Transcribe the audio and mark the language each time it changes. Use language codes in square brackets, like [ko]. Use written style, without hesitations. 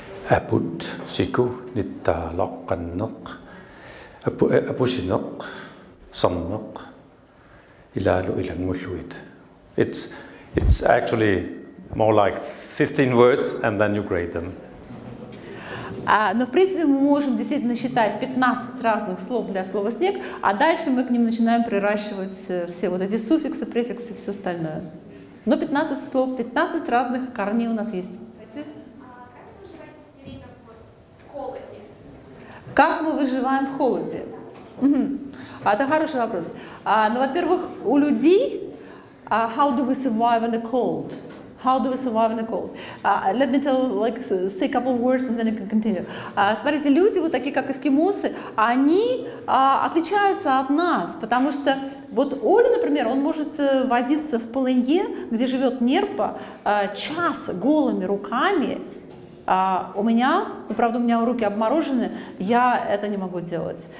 [iu] Apud, siku, nitalok, kanok, apusinok, somnok, ilalu ilangmulwid. [en] It's actually more like 15 words, and then you grade them. [ru] Но в принципе мы можем действительно считать 15 разных слов для слова снег, а дальше мы к ним начинаем приращивать все вот эти суффиксы, префиксы, все остальное. Но 15 слов, 15 разных корней у нас есть. А как вы выживаете все время в холоде? Как мы выживаем в холоде? Это хороший вопрос. Ну, во-первых, у людей [en] how do we survive in the cold? How do we survive in the cold? Let me tell, like, say a couple of words, and then you can continue. [ru] Смотрите, люди, вот такие как эскимосы, они отличаются от нас, потому что вот Оля, например, он может возиться в полынье, где живет нерпа, час голыми руками. У меня, ну, правда, у меня руки обморожены, я это не могу делать.